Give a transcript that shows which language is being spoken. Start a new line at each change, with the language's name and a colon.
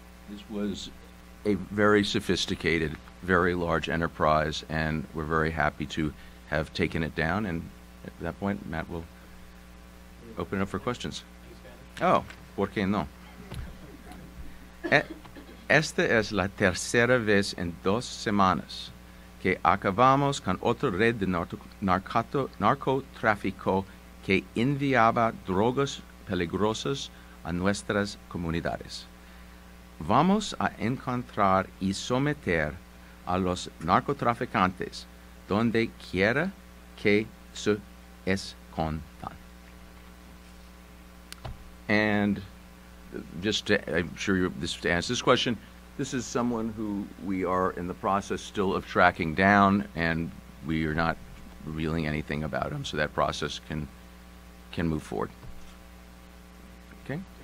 English: This was a very sophisticated, very large enterprise, and we're very happy to have taken it down. And at that point, Matt will open it up for questions.
Spanish: Oh, por qué no? Esta es la tercera vez en dos semanas que acabamos con otra red de narcotráfico que enviaba drogas peligrosas a nuestras comunidades. Vamos a encontrar y someter a los narcotraficantes donde quiera que se escondan.
English: And just to, I'm sure you're, this, to answer this question, this is someone who we are in the process still of tracking down, and we are not revealing anything about him, so that process can move forward. Okay?